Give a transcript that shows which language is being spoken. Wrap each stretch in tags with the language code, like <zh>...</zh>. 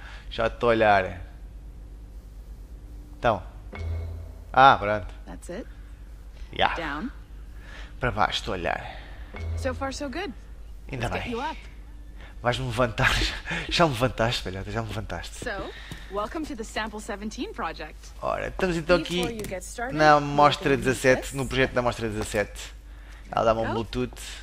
<pt>Já estou a olhar. Então. Ah, pronto.</pt> <en>That's it. Yeah. Down.</en> <pt>Para baixo, estou a olhar.</pt> <en>So far so good.</en> <pt>Ainda bem. Vais-me levantar. Já me levantaste, velhota. Já me levantaste.</pt> <en>So, welcome to the Sample 17 project.</en> <pt>Ora, estamos então aqui started, na amostra 17, no projeto da amostra 17. Ela dá-me um Bluetooth.</pt>